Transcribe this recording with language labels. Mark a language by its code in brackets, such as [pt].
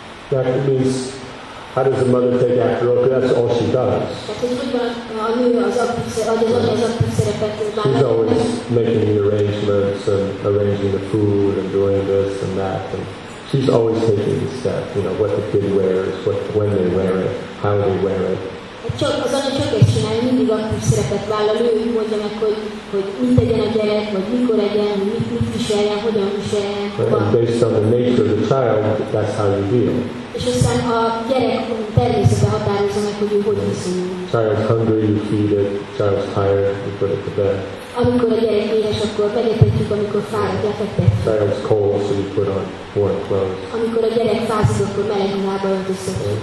[en] That means, how does the mother take active role? Because that's all she does. She's always making the arrangements and arranging the food and doing this and that. And she's always taking the step, you know, what the kid wears, what, when they wear it, how they wear it. [hu] Az anya csak ezt csinálja, mindig aktív szerepet vállal, ő mondja meg, hogy mit tegyen a gyerek, vagy mikor legyen, mit viseljen, hogyan viseljen. [en] And based on the nature of the child, that's how you deal. [hu] És aztán a gyerek természete határozza meg, hogy ő hogy viszonyul. [en] Child's hungry, you feed it. Child's tired, you put it to bed. [hu] Amikor a gyerek éhes, akkor megetetjük, amikor fáradt, lefektetjük. [en] Child's cold, so you put on warm clothes. [hu] Amikor a gyerek fázik, akkor meleg ruhába öltözzük.